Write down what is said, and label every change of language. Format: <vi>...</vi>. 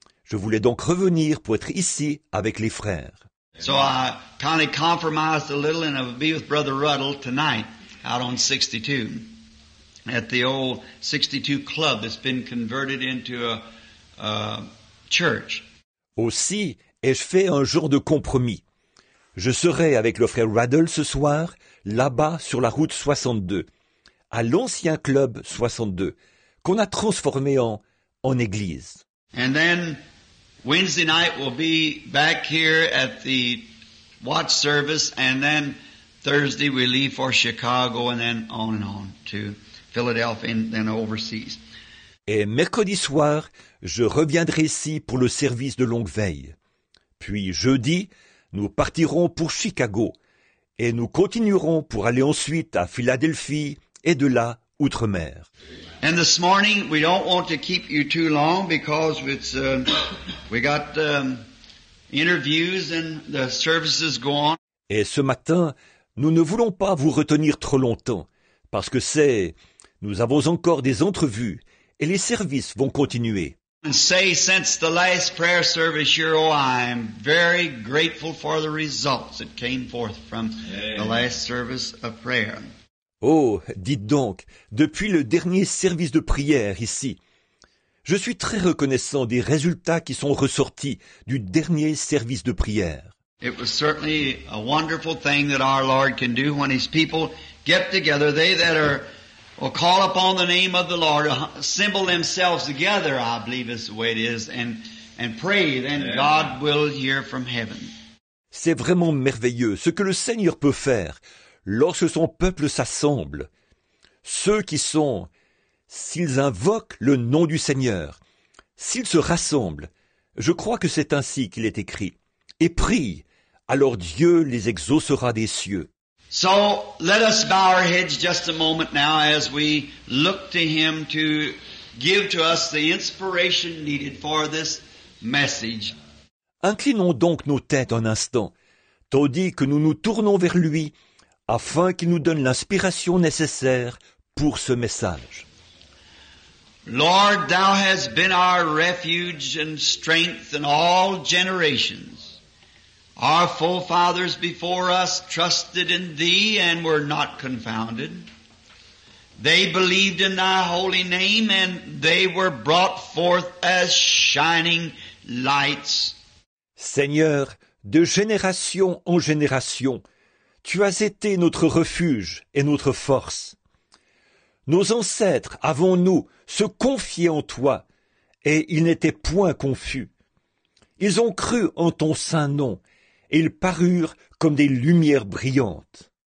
<fr>Je voulais donc revenir pour être ici avec les frères.</fr> <en>So I kind of compromised a little and I'll be with Brother Ruddle tonight out on 62 at the old 62 club that's been converted into a church.</en> <fr>Aussi ai-je fait un jour de compromis. Je serai avec le frère Ruddle ce soir là-bas sur la route 62 à l'ancien club 62 qu'on a transformé en église.</fr> <en>And then Wednesday night we'll be back here at the watch service and then Thursday we leave for Chicago and on to Philadelphia and then overseas.</en> <fr>Et mercredi soir, je reviendrai ici pour le service de longue veille. Puis jeudi, nous partirons pour Chicago et nous continuerons pour aller ensuite à Philadelphie et de là outre-mer.</fr> <en>And this morning we don't want to keep you too long because it's we got interviews and the services go on.</en> <fr>Et ce matin, nous ne voulons pas vous retenir trop longtemps parce que nous avons encore des entrevues et les services vont continuer.</fr> <en>And say since the last prayer service here, oh, I am very grateful for the results that came forth from the last service of prayer.</en> <fr>Oh, dites donc, depuis le dernier service de prière ici, je suis très reconnaissant des résultats qui sont ressortis du dernier service de prière.</fr> <en>It was certainly a wonderful thing that our Lord can do when His people get together. They that are will call upon the name of the Lord, assemble themselves together, I believe is the way it is, and pray, then God will hear from heaven.</en> <fr>C'est vraiment merveilleux ce que le Seigneur peut faire. Lorsque son peuple s'assemble, ceux qui sont, s'ils invoquent le nom du Seigneur, s'ils se rassemblent, je crois que c'est ainsi qu'il est écrit, et prient, alors Dieu les exaucera des cieux.</fr> <en>So, let us bow our heads just a moment now as we look to Him to give to us the inspiration needed for this message.</en> <fr>Inclinons donc nos têtes un instant, tandis que nous nous tournons vers Lui, afin qu'il nous donne l'inspiration nécessaire pour ce message.</fr> <en>Lord, thou hast been our refuge and strength in all generations. Our forefathers before us trusted in thee and were not confounded. They believed in thy holy name and they were brought forth as shining lights.</en> <fr>Seigneur, de génération en génération, tu as été notre refuge et notre force. Nos ancêtres, avant nous, se confiaient en toi, et ils n'étaient point confus. Ils ont cru en ton saint nom, et ils parurent comme des lumières brillantes.</fr>